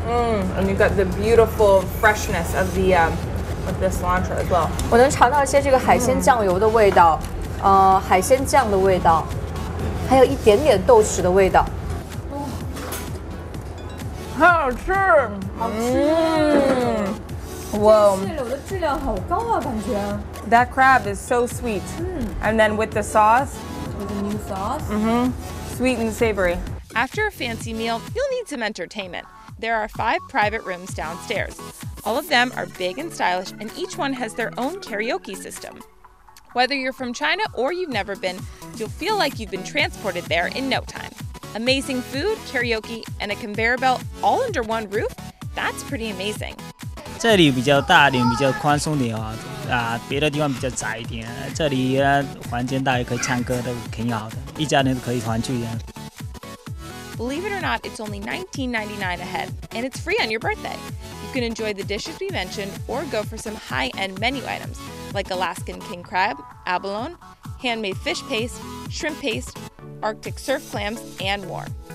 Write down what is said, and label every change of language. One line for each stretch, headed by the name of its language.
English: And you've got the beautiful freshness of the of the cilantro as well.
Chinese: 我能尝到一些这个海鲜酱油的味道。海鲜酱的味道，还有一点点豆豉的味道，哦，好吃，好吃，哇，蟹柳的质量好高啊，感觉。
English: That crab is so sweet. And then with the sauce, with the new sauce, sweet and savory. After a fancy meal, you'll need some entertainment. There are 5 private rooms downstairs. All of them are big and stylish, and each one has their own karaoke system. Whether you're from China or you've never been, you'll feel like you've been transported there in no time. Amazing food, karaoke, and a conveyor belt all under one roof? That's pretty amazing.
Chinese: 这里比较大点，比较宽松点别的地方比较窄一点。这里环境大，也可以唱歌，都挺好的，一家人都可以团聚的。
English: Believe it or not, it's only $19.99 a head, and it's free on your birthday. You can enjoy the dishes we mentioned or go for some high-end menu items. Like Alaskan king crab, abalone, handmade fish paste, shrimp paste, Arctic surf clams, and more.